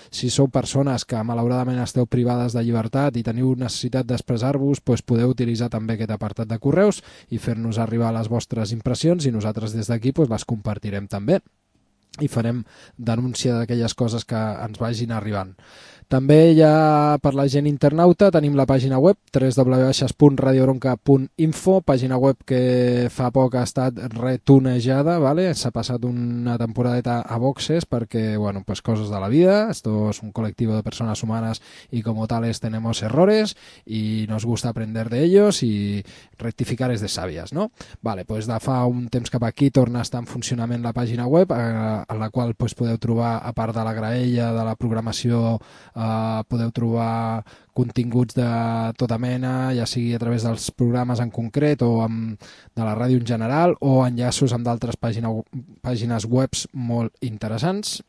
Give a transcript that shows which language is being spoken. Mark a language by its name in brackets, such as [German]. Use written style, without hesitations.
[Catalan] Si sou persones que malauradament esteu privades de llibertat i teniu necessitat d'expressar-vos, pues, podeu utilitzar també aquest apartat de correus i fer-nos arribar les vostres impressions i nosaltres des d'aquí, pues, les compartirem. Direm també i farem denúncia d'aquelles coses que ens vagin arribant. També ja per la gent internauta tenim la pàgina web www.radiobronca.info, pàgina web que fa poc ha estat retunejada, vale? S'ha passat una temporadeta a boxes perquè, bueno, pues coses de la vida, [Spanish] esto es un colectivo de personas humanas y como tales tenemos errores y nos gusta aprender de ellos y rectificar es de sabias, ¿no? [Catalan] Vale, pues de fa un temps cap aquí torna a estar en funcionament la pàgina web a la qual, pues, podeu trobar, a part de la graella, de la programació, podeu trobar continguts de tota mena, ja sigui a través dels programes en concret o amb, de la ràdio en general, o enllaços amb d'altres pàgines webs molt interessants.